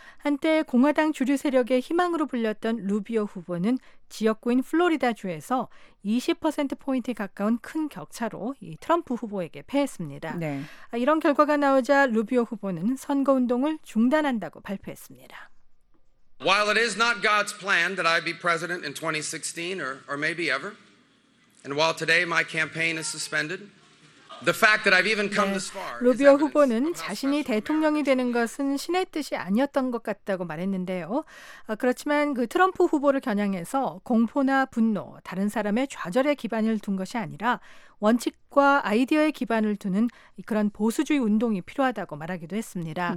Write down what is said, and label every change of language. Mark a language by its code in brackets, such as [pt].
[ko] 한때 공화당 주류 세력의 희망으로 불렸던 루비오 후보는 지역구인 플로리다주에서 20%포인트 가까운 큰 격차로 이 트럼프 후보에게 패했습니다. 네. 이런 결과가 나오자 루비오 후보는 선거운동을 중단한다고 발표했습니다. [en] While it is not God's plan that I be president in 2016 or maybe ever, and while today my campaign is suspended, the fact that I've even come this far. [ko] 루비오 후보는 자신이 대통령이 되는 것은 신의 뜻이 아니었던 것 같다고 말했는데요. 그렇지만 그 트럼프 후보를 겨냥해서 공포나 분노, 다른 사람의 좌절에 기반을 둔 것이 아니라 원칙과 아이디어에 기반을 두는 그런 보수주의 운동이 필요하다고 말하기도 했습니다.